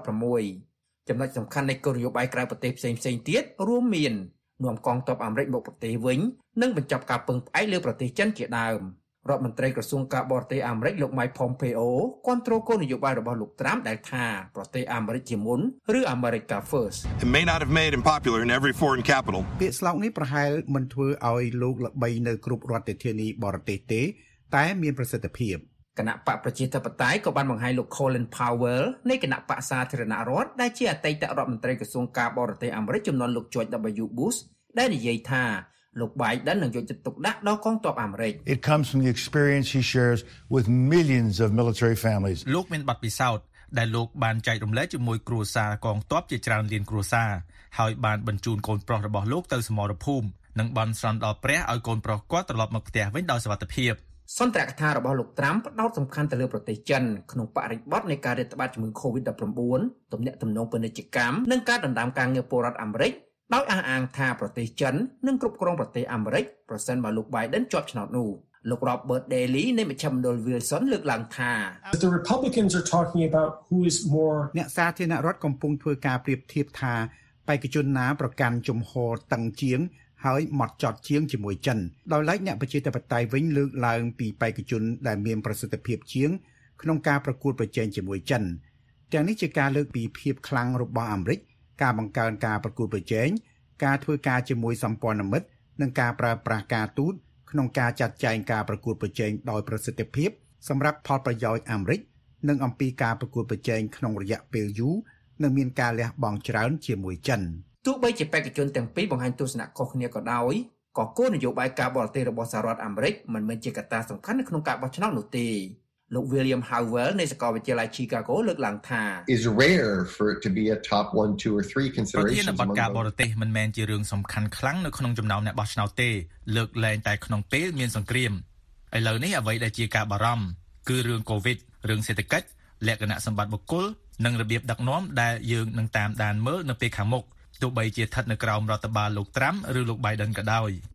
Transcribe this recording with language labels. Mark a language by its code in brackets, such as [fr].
[km] 2016ចំណុចសំខាន់នៃគោលនយោបាយក្រៅប្រទេសផ្សេងៗទៀតរួមមាននាំកងទ័ពអាមេរិកមកប្រទេសវិញនិងបញ្ចប់ការពឹងផ្អែកលើប្រទេសចិនជាដើមរដ្ឋមន្ត្រីក្រសួងការបរទេសអាមេរិកលោក Mike Pompeo គាំទ្រគោលនយោបាយរបស់លោកត្រាំដែលថាប្រទេសអាមេរិកជាមុនឬ America First [en] It may not have made him popular in every foreign capital [km] ពាក្យស្លោកនេះប្រហែលមិនធ្វើឲ្យលោកល្បីនៅគ្រប់រដ្ឋធានីបរទេសទេតែមានប្រសិទ្ធភាព គណៈបកប្រជាធិបតេយ្យក៏បានបង្ហាញលោក Colin Powell នៃគណៈបកសាធារណរដ្ឋដែលជាអតីតរដ្ឋមន្ត្រីក្រសួងការបរទេសអាមេរិកចំនួនលោក George W. Bush ដែលនិយាយថាលោក Biden នឹងយកចិត្តទុកដាក់ដល់កងទ័ពអាមេរិក [en] It comes from the experience he shares with millions of military families [km] លោកមានបទពិសោធន៍ដែលលោកបានចែករំលែកជាមួយគ្រួសារកងទ័ពជាច្រើនលានគ្រួសារហើយបានបញ្ជូនកូនប្រុសរបស់លោកទៅសមរភូមិនិងបានស្រន់ដល់ព្រះឲ្យកូនប្រុសគាត់ត្រឡប់មកផ្ទះវិញដោយសុវត្ថិភាព សន្ទរកថារបស់លោកត្រាំផ្ដោតសំខាន់ទៅលើប្រទេសចិនក្នុងបរិបទនៃការរាតត្បាតជំងឺ COVID-19 ទំនាក់ទំនងពាណិជ្ជកម្មនិងការដណ្ដើមការងារពលរដ្ឋអាមេរិកដោយអះអាងថាប្រទេសចិននិងគ្រប់គ្រងប្រទេសអាមេរិកប្រសិនបើលោក Biden ជាប់ឆ្នោតនោះលោក Robert Daley នៃមជ្ឈមណ្ឌល Wilson លើកឡើងថា [en] The Republicans are talking about who is more [km] អ្នកសាធារណរដ្ឋកំពុងធ្វើការប្រៀបធៀបថាបេក្ខជនណាប្រកាន់ជំហរតឹងជាងហើយមកចត់ជាងជាមួយចិនដោយឡែកអ្នកប្រជាធិបតេយ្យវិញលើកឡើងពីបេក្ខជនដែលមានប្រសិទ្ធភាពជាងក្នុងការប្រកួតប្រជែងជាមួយចិន ទាំងនេះជាការលើកពីភាពខ្លាំងរបស់អាមេរិកការបង្កើនការប្រកួតប្រជែងការធ្វើការជាមួយសម្ព័ន្ធមិត្តនិងការប្រើប្រាស់ការទូតក្នុងការចាត់ចែងការប្រកួតប្រជែងដោយប្រសិទ្ធភាពសម្រាប់ផលប្រយោជន៍អាមេរិកនិងអំពីការប្រកួតប្រជែងក្នុងរយៈពេលយូរនិងមានការលះបង់ច្រើនជាមួយចិន ទោះបីជាបេក្ខជនទាំងពីរបង្ហាញទស្សនៈខុសគ្នាក៏ដោយក៏គោលនយោបាយការបរទេសរបស់សហរដ្ឋអាមេរិកមិនមែនជាកត្តាសំខាន់នៅក្នុងការបោះឆ្នោតនោះទេលោក William Howell នៃសាកលវិទ្យាល័យ Chicago លើកឡើងថា [en] It's rare for it to be a top 1 2 or 3 consideration [km] among ការបរទេសមិនមែនជារឿងសំខាន់ខ្លាំងនៅក្នុងចំណោមអ្នកបោះឆ្នោតទេលើកលែងតែក្នុងពេលមានសង្គ្រាមឥឡូវនេះអ្វីដែលជាការបារម្ភគឺរឿង COVID រឿងសេដ្ឋកិច្ចលក្ខណៈសម្បត្តិបុគ្គលនិងរបៀបដឹកនាំដែលយើងនឹងតាមដានមើលនៅពេលខាងមុខទោះបីជាស្ថិតនៅក្រោមរដ្ឋបាលលោកត្រាំឬលោក Biden ក៏ដោយ